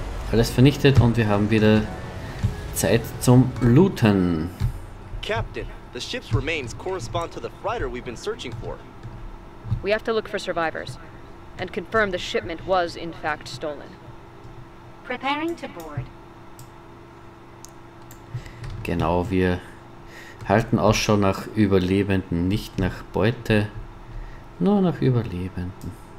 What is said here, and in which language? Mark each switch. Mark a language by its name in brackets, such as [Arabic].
[German] Alles vernichtet und wir haben wieder Zeit zum Looten. [English] Captain, the ship's remains correspond to the freighter we've been searching for. We have to look for survivors. And confirm the shipment was in fact stolen. Preparing to board. [German] Genau, wir halten Ausschau nach Überlebenden, nicht nach Beute, nur nach Überlebenden.